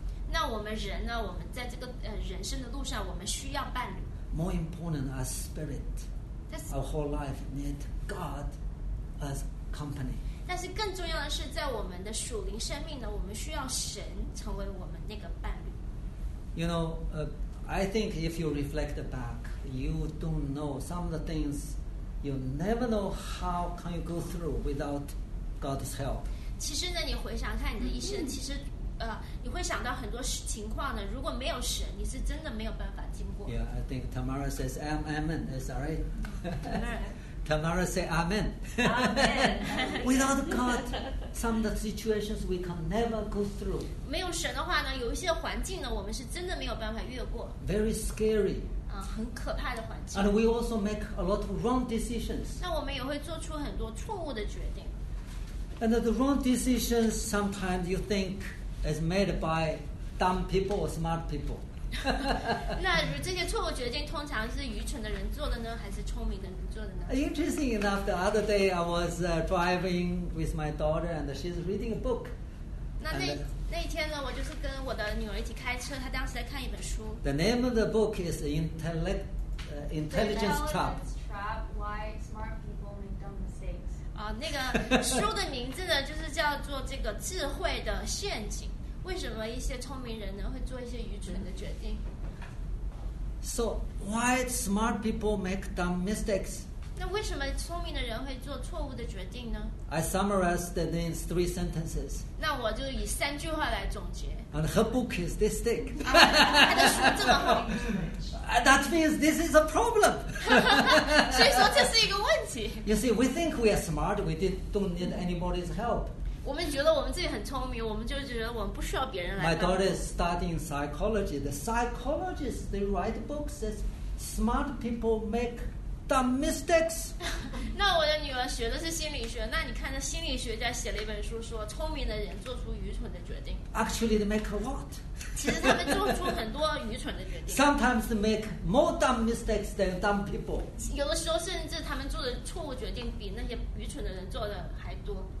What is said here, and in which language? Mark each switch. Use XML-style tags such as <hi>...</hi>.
<zh>那我们人呢，我们在这个人生的路上，我们需要伴侣。</zh> <en>More important, our spirit, our whole life need God. As company.</en> <zh>但是更重要的是，在我们的属灵生命呢，我们需要神成为我们那个伴侣。</zh> <en>You know, I think if you reflect back, you don't know some of the things. You never know how can you go through without God's help.</en> <zh>其实呢，你回想看你的一生，其实你会想到很多情况呢。如果没有神，你是真的没有办法经过。</zh> <en>Yeah, I think Tamara says, "Amen." Is that right? Tamara say Amen. Amen. Without God, some of the situations we can never go through.</en> <zh>没有神的话呢，有一些环境呢，我们是真的没有办法越过。</zh> <en>Very scary.</en> <zh>很可怕的环境。</zh> <en>And we also make a lot of wrong decisions.</en> <zh>那我们也会做出很多错误的决定。</zh> <en>And the wrong decisions sometimes you think is made by dumb people or smart people.</en> <zh>那这些错误决定通常是愚蠢的人做的呢，还是聪明的人做的呢？</zh> <en>Interesting enough, the other day I was driving with my daughter and she's reading a book.</en> <zh>那一天呢，我就是跟我的女儿一起开车，她当时在看一本书。</zh> <en>The name of the book is Intelligence Trap. Intelligence Trap, Why Smart People Make Dumb Mistakes.</en> <zh>那个书的名字呢，就是叫做这个智慧的陷阱。为什么一些聪明人呢会做一些愚蠢的决定？</zh> <en>So why smart people make dumb mistakes?</en> <zh>那为什么聪明的人会做错误的决定呢？</zh> <en>I summarized it in three sentences.</en> <zh>那我就以三句话来总结。</zh> <en>And her book is this thick.</en> <zh>她的书这么厚。</zh> <en>That means this is a problem.</en> <zh>所以说这是一个问题。</zh> <en>You see, we think we are smart, we don't need anybody's help.</en> <zh>我们觉得我们自己很聪明，我们就觉得我们不需要别人来帮助。</zh> <en>My daughter is studying psychology. The psychologists, they write books that smart people make dumb mistakes.</en> <zh>那我的女儿学的是心理学，那你看那心理学家写了一本书说，说聪明的人做出愚蠢的决定。</zh> <en>Actually, they make a lot.</en> <zh>其实他们做出很多愚蠢的决定。</zh> <en>Sometimes they make more dumb mistakes than dumb people.</en> <zh>有的时候甚至他们做的错误决定比那些愚蠢的人做的还多。</zh>